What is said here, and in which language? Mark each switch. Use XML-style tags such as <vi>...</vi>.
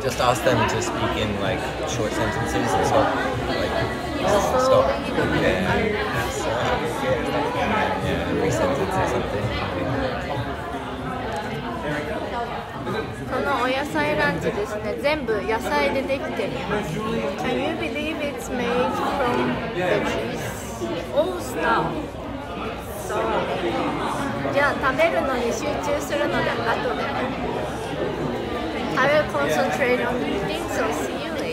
<en>Just ask them to speak in like short sentences and stop. Like, stop. Yeah. Three sentences or something. Yeah.</en> <ja>このお野菜ランチですね、全部野菜でできています。</ja> <en>Can you believe it's made from veggies? All stuff. So,</en> <ja>じゃあ食べるのに集中するので後で。</ja> <en>I will concentrate on eating, so see you.</en>